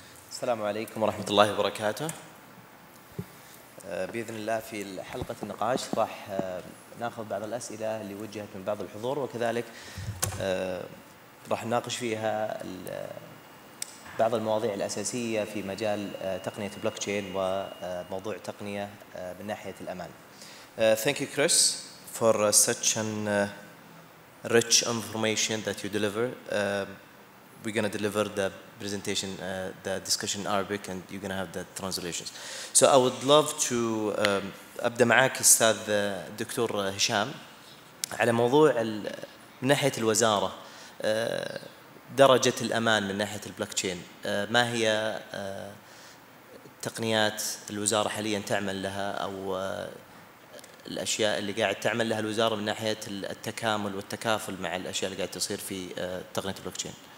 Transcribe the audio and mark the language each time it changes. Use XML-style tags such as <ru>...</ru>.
<ar>السلام عليكم ورحمة الله وبركاته. بإذن الله في حلقة النقاش راح ناخذ بعض الأسئلة اللي وجهت من بعض الحضور، وكذلك راح نناقش فيها بعض المواضيع الأساسية في مجال تقنية بلوكتشين وموضوع تقنية من ناحية الأمان.</ar> <en>Thank you Chris for such an rich information that you deliver. We're going to deliver the presentation, the discussion in Arabic, and you're going to have the translations. So I would love to</en> <ar>أبدأ معاك أستاذ دكتور هشام على موضوع من ناحية الوزارة درجة الأمان من ناحية البلوكتشين. ما هي التقنيات الوزارة حاليا تعمل لها، أو الأشياء اللي قاعد تعمل لها الوزارة من ناحية التكامل والتكافل مع الأشياء اللي قاعد تصير في تقنية البلوكتشين؟</ar>